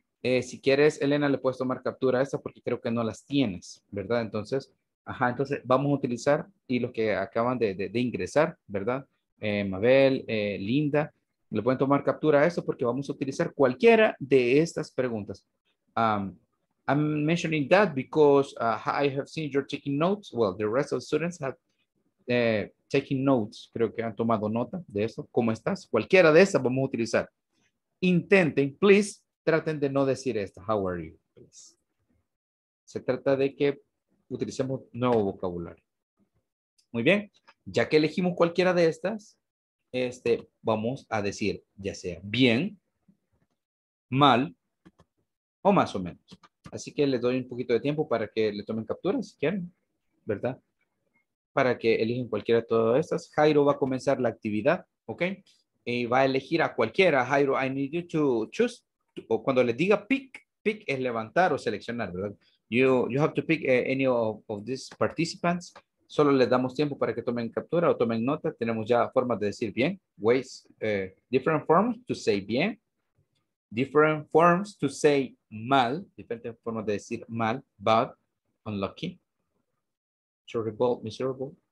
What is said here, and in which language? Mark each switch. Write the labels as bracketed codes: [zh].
[es] Si quieres, Elena, le puedes tomar captura a esta porque creo que no las tienes, ¿verdad? Entonces, entonces vamos a utilizar y los que acaban de ingresar, ¿verdad? Mabel, Linda. Le pueden tomar captura a esto porque vamos a utilizar cualquiera de estas preguntas. [en] I'm mentioning that because I have seen you're taking notes. Well, the rest of the students have taken notes. [es] Creo que han tomado nota de eso. ¿Cómo estás? Cualquiera de esas vamos a utilizar. Intenten, please, traten de no decir esto. [en] How are you? Please. [es] Se trata de que utilicemos nuevo vocabulario. Muy bien. Ya que elegimos cualquiera de estas, vamos a decir ya sea bien, mal o más o menos. Así que les doy un poquito de tiempo para que le tomen captura si quieren, ¿verdad? Para que eligen cualquiera de todas estas. Jairo va a comenzar la actividad, ¿ok? Y va a elegir a cualquiera. Jairo, [en] I need you to choose. [es] O cuando les diga pick, pick es levantar o seleccionar, ¿verdad? [en] You have to pick any of these participants. [es] Solo les damos tiempo para que tomen captura o tomen nota. Tenemos ya formas de decir bien. [en] Ways, different forms to say bien. Different forms to say mal. [es] Diferentes formas de decir mal. [en] Bad, unlucky. Terrible, miserable.